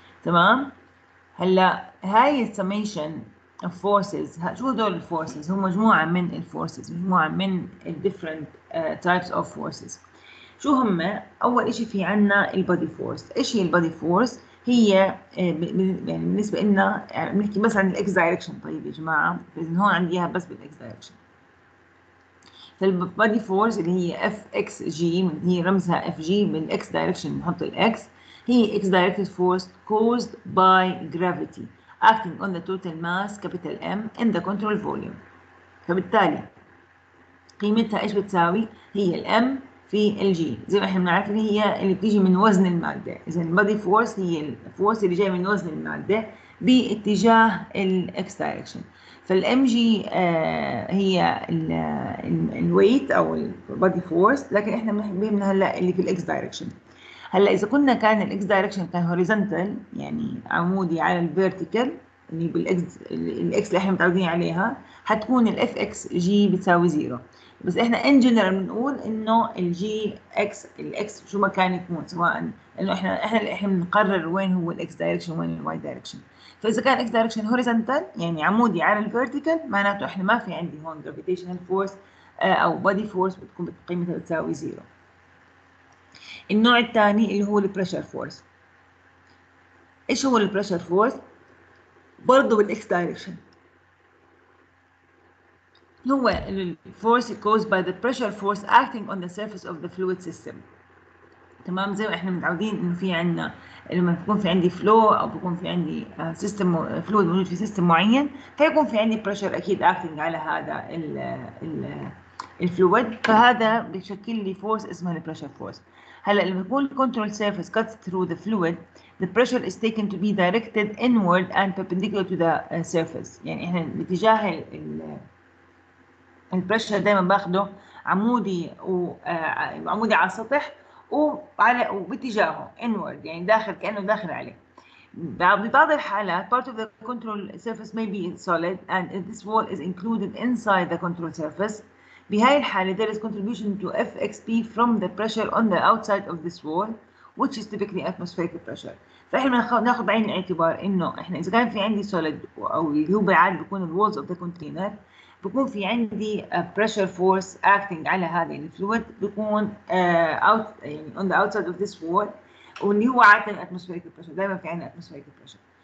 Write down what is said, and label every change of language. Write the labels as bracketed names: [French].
[Arabic] تمام؟ هلأ هاي الـ [English] summation of forces، [Arabic] شو دول الـ forces؟ هم مجموعة من الـ forces، مجموعة من الـ [English] different types of forces. [Arabic] شو هم؟ أول شيء في عنا الـ body force. إيش هي الـ body force؟ هي يعني بالنسبة لنا بنحكي بس عن الـ X direction. طيب يا جماعة، إذن هون عنديها بس بالـ X direction. فالبادي فورس اللي هي FXG هي رمزها FG من X direction نحط ال X، [English] هي X directed force caused by gravity acting on the total mass capital M in the control volume. [Arabic] فبالتالي قيمتها ايش بتساوي؟ هي ال M في ال G، زي ما احنا بنعرف اللي هي اللي بتيجي من وزن المادة. اذا البادي فورس هي الفورس اللي جاي من وزن المادة باتجاه ال X direction. فالام جي هي الويت او البادي فورس، لكن احنا بنحكيهم هلا اللي في الاكس دايركشن. هلا اذا كنا كان الاكس دايركشن كان هوريزونتال يعني عمودي على الفيرتيكال اللي بالاكس الاكس اللي احنا متعودين عليها، حتكون الاف اكس جي بتساوي زيرو. بس احنا ان جنرال بنقول انه الجي اكس الاكس شو ما كان يكون، سواء انه احنا بنقرر وين هو الاكس دايركشن وين الواي دايركشن. فإذا كان [English] X direction horizontal [Arabic] يعني عمودي على ال vertical معناته إحنا ما في عندي هون gravitational force أو body force بتكون بقيمة تساوي zero. النوع الثاني اللي هو ال pressure force. إيش هو ال pressure force؟ برضو بال X direction. [English] هو ال force caused by the pressure force acting on the surface of the fluid system. [Arabic] تمام، زي ما احنا متعودين انه في عندنا لما بكون في عندي فلو او بكون في عندي سيستم فلويد موجود في سيستم معين فيكون في عندي بريشر اكيد اكتنج على هذا الفلويد، فهذا بيشكل لي فورس اسمها البريشر فورس. هلا لما بكون [English] control surface cut through the fluid the pressure is taken to be directed inward and perpendicular to the surface, [Arabic] يعني احنا باتجاه البريشر دائما باخده عمودي وعمودي على السطح وعلى وباتجاهه inward يعني داخل كأنه داخل عليه. ببعض الحالات [English] part of the control surface may be solid and this wall is included inside the control surface. [Arabic] بهاي الحالة [English] there is contribution to FXP from the pressure on the outside of this wall which is typically atmospheric pressure. [Arabic] فإحنا ناخد بعين الاعتبار إنه إحنا إذا كان في عندي solid أو اللي هو بالعادة بيكون [English] the walls of the container [Arabic] بكون في عندي pressure force acting على هذا الفلويد بكون out يعني [English] on the outside of this wall [Arabic] واللي هو عادة atmospheric pressure دائما في عنا atmospheric pressure.